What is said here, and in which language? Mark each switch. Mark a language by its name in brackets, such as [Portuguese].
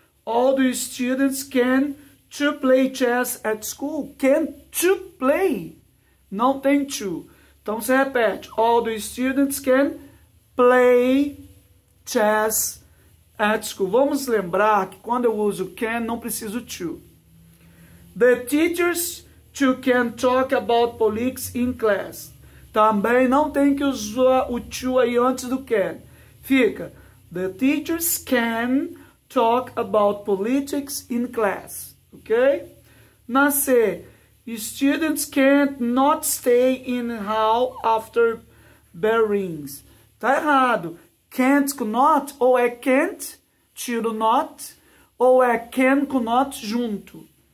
[English] All the students can to play chess at school. Can to play. [Portuguese] Não tem to. Então você repete. [English] All the students can play chess at school. [Portuguese] Vamos lembrar que quando eu uso can, não preciso to. [English] The teachers too can talk about politics in class. [Portuguese] Também não tem que usar o to aí antes do can. Fica. [English] The teachers can talk about politics in class. Ok? [Portuguese] Na C. [English] Students can't not stay in hall after bell rings. [Portuguese] Tá errado. Can't com not ou é can't, tiro not, ou é can com not junto.